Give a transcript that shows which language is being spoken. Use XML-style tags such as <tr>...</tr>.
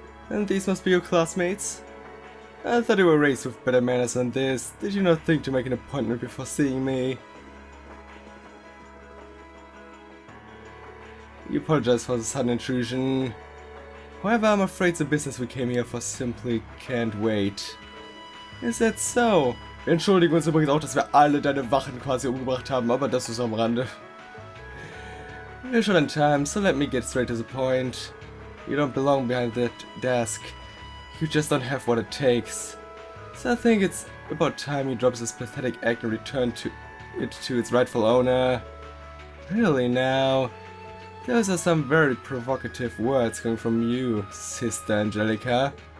<en>And these must be your classmates. I thought you were raised with better manners than this. Did you not think to make an appointment before seeing me? You apologize for the sudden intrusion. However, I'm afraid the business we came here for simply can't wait. Is that so?</en> <de>Wir entschuldigen uns übrigens auch, dass wir alle deine Wachen quasi umgebracht haben, aber das ist am Rande.</de> <en>We're short on time, so let me get straight to the point. You don't belong behind that desk. You just don't have what it takes. So I think it's about time you drop this pathetic act and return to it to its rightful owner. Really now? Those are some very provocative words coming from you, Sister Angelica.</en>